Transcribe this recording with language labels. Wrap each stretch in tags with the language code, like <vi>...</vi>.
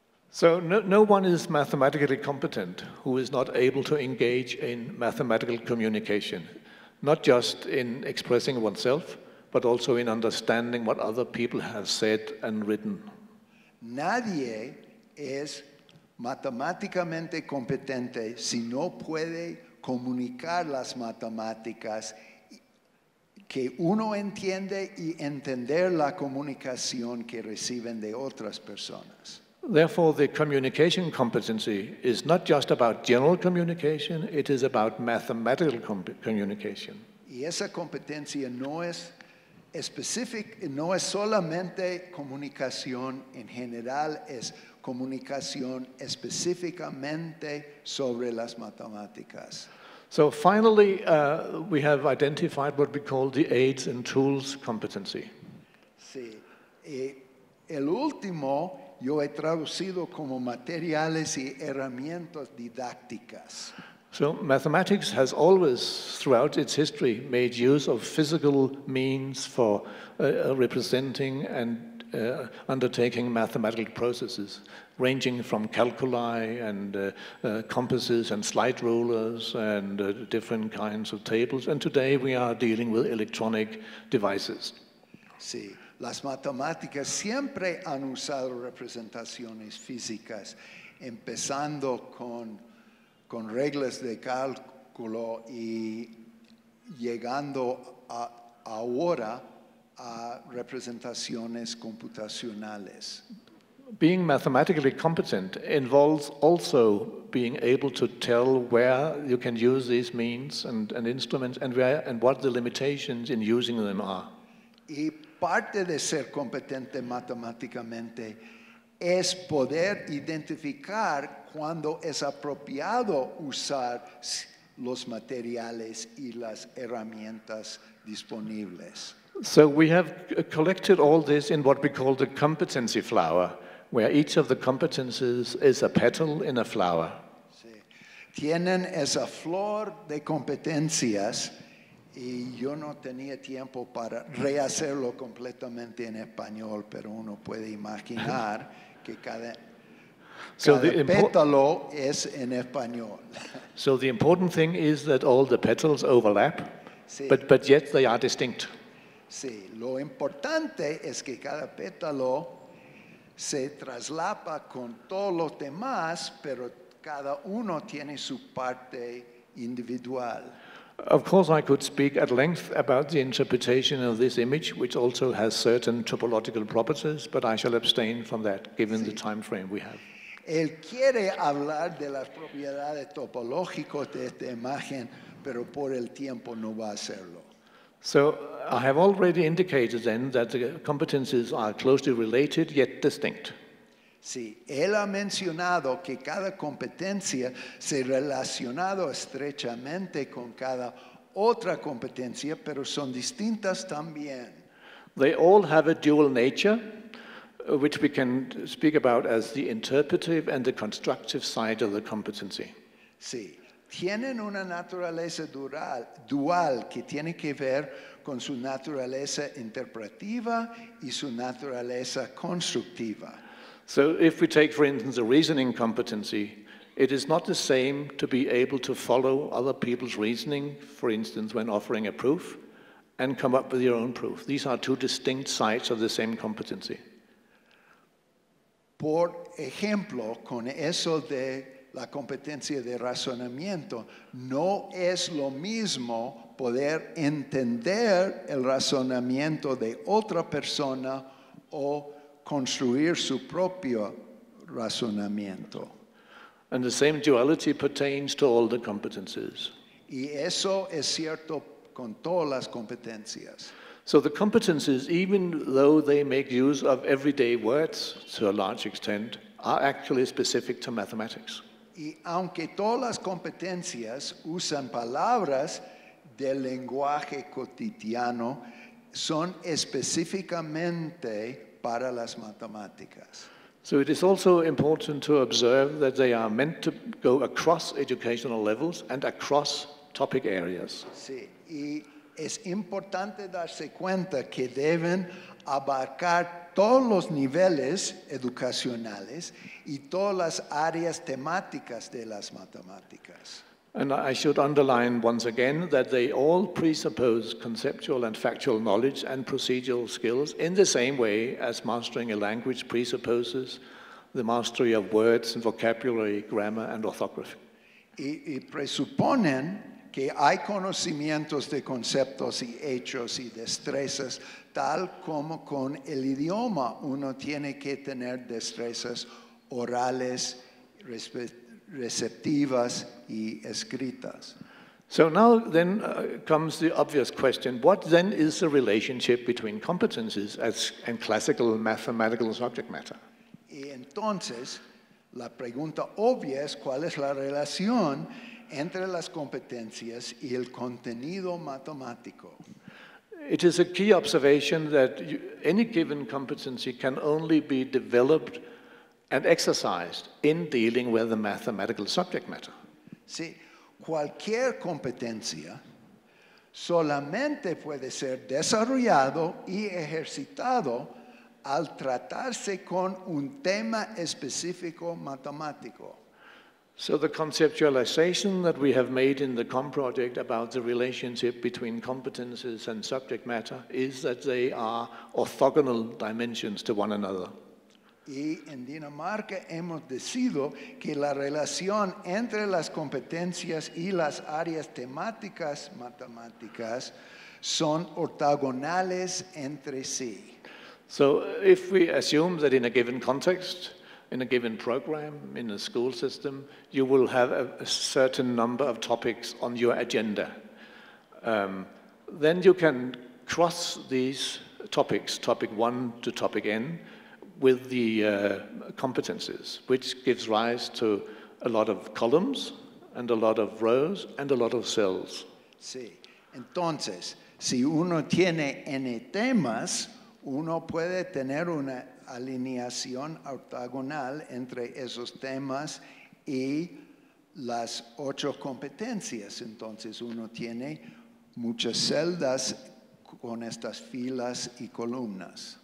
<en>So no one is mathematically competent who is not able to engage in mathematical communication, not just in expressing oneself, but also in understanding what other people have said and written.</en> <es>Nadie es matemáticamente competente si no puede comunicar las matemáticas que uno entiende y entender la comunicación que reciben de otras personas.</es> <en>Therefore, the communication competency is not just about general communication, it is about mathematical communication.</en> <es>Y esa competencia no es específica, no es solamente comunicación en general, es comunicación específicamente sobre las matemáticas.</es> <en>So finally, we have identified what we call the aids and tools competency.</en> <es>Sí. El último yo he traducido como materiales y herramientas didácticas.</es> <en>So mathematics has always, throughout its history, made use of physical means for representing and undertaking mathematical processes, ranging from calculi and compasses and slide rulers and different kinds of tables. And today we are dealing with electronic devices.</en> <es>Sí, las matemáticas siempre han usado representaciones físicas, empezando con reglas de cálculo y llegando ahora a representaciones computacionales.</es> <en>Being mathematically competent involves also being able to tell where you can use these means and instruments and where and what the limitations in using them are.</en> <es>Y parte de ser competente matemáticamente es poder identificar cuando es apropiado usar los materiales y las herramientas disponibles.</es> <en>So we have collected all this in what we call the competency flower, where each of the competencies is a petal in a flower.</en> <es>Sí. tienen esa flor de competencias y yo no tenía tiempo para rehacerlo completamente en español, pero uno puede imaginar que cada pétalo es en español.</es> <en>So the important thing is that all the petals overlap,</en> <es>sí.</es> <en>but yet they are distinct.</en> <es>Sí, lo importante es que cada pétalo se traslapa con todos los demás, pero cada uno tiene su parte individual.</es> <en>Of course, I could speak at length about the interpretation of this image, which also has certain topological properties, but I shall abstain from that, given</en> <es>sí.</es> <en>the time frame we have.</en> <es>Él quiere hablar de las propiedades topológicas de esta imagen, pero por el tiempo no va a hacerlo.</es> <en>So I have already indicated then that the competencies are closely related yet distinct.</en> <es>Sí, él ha mencionado que cada competencia se relaciona estrechamente con cada otra competencia, pero son distintas también.</es> <en>They all have a dual nature, which we can speak about as the interpretive and the constructive side of the competency.</en> <es>Sí, tienen una naturaleza dual que tiene que ver con su naturaleza interpretativa y su naturaleza constructiva.</es> <en>So if we take, for instance, a reasoning competency, it is not the same to be able to follow other people's reasoning, for instance, when offering a proof, and come up with your own proof. These are two distinct sides of the same competency.</en> <es>Por ejemplo, con eso de la competencia de razonamiento, no es lo mismo poder entender el razonamiento de otra persona o construir su propio razonamiento.</es> <en>And the same duality pertains to all the competencies.</en> <es>Y eso es cierto con todas las competencias.</es> <en>So the competencies, even though they make use of everyday words to a large extent, are actually specific to mathematics.</en> <es>Y aunque todas las competencias usan palabras del lenguaje cotidiano, son específicamente para las matemáticas.</es> <en>So it is also important to observe that they are meant to go across educational levels and across topic areas.</en> <es>Sí, y es importante darse cuenta que deben abarcar todos los niveles educacionales y todas las áreas temáticas de las matemáticas.</es> <en>And I should underline once again that they all presuppose conceptual and factual knowledge and procedural skills in the same way as mastering a language presupposes the mastery of words and vocabulary, grammar and orthography.</en> <es>Y presuponen que hay conocimientos de conceptos y hechos y destrezas, tal como con el idioma uno tiene que tener destrezas orales, receptivas y escritas.</es> <en>So now then comes the obvious question, what then is the relationship between competencies and classical mathematical subject matter?</en> <es>Y entonces, la pregunta obvia es cuál es la relación entre las competencias y el contenido matemático.</es> <en>It is a key observation that any given competency can only be developed and exercised in dealing with the mathematical subject matter.</en> <es>Sí, cualquier competencia solamente puede ser desarrollado y ejercitado al tratarse con un tema específico matemático.</es> <en>So the conceptualization that we have made in the COM project about the relationship between competences and subject matter is that they are orthogonal dimensions to one another.</en> <es>Y en Dinamarca hemos decidido que la relación entre las competencias y las áreas temáticas matemáticas son ortogonales entre sí.</es> <en>So if we assume that in a given context, in a given program, in a school system, you will have a certain number of topics on your agenda. Then you can cross these topics, topic one to topic n, with the competencies, which gives rise to a lot of columns and a lot of rows and a lot of cells.</en> <es>Sí. Entonces, si uno tiene n temas, uno puede tener una alineación ortogonal entre esos temas y las ocho competencias. Entonces uno tiene muchas celdas con estas filas y columnas.</es>